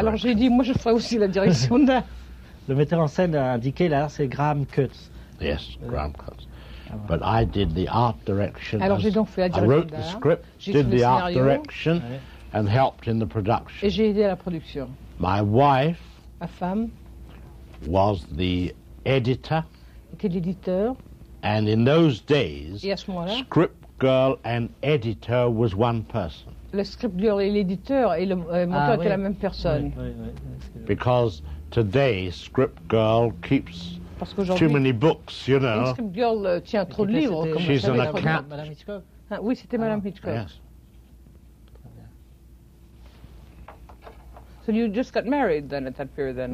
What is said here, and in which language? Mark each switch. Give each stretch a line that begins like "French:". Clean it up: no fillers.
French: Alors j'ai dit, moi je ferai aussi la direction d'art. Le metteur en scène a indiqué, là, c'est Graham Cutts.
English: Yes, Graham Cutts. But I did the art direction.
French: Alors j'ai donc fait la direction
English: I wrote
French: d'art.
English: The script,
French: j'ai
English: did the
French: scénario.
English: Art direction.
French: Oui.
English: And helped in the production.
French: Et j'ai aidé à la production.
English: My wife,
French: ma femme,
English: was the editor.
French: Était l'éditeur.
English: And in those days,
French: et à ce moment-là,
English: script girl and editor was one person.
French: Le script girl et l'éditeur et le monteur étaient oui. la même personne. Oui, oui, oui.
English: Because today script girl keeps
French: Parce qu'aujourd'hui,
English: too many books, you know.
French: Une script girl tient trop de livres.
English: She's an account.
French: Madame Hitchcock. Ah, oui, c'était Madame Hitchcock.
English: Yes. So you just got married then at that period then?